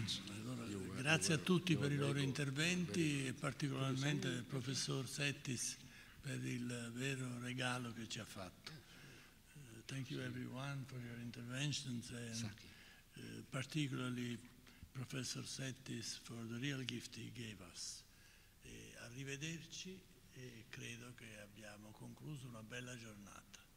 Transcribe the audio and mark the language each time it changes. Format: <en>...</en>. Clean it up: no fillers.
<it>Allora, grazie a tutti per i loro interventi e particolarmente al professor Settis per il vero regalo che ci ha fatto.</it> <en>Thank you everyone for your interventions and particularly Professor Settis for the real gift he gave us.</en> <it>Arrivederci e credo che abbiamo concluso una bella giornata.</it>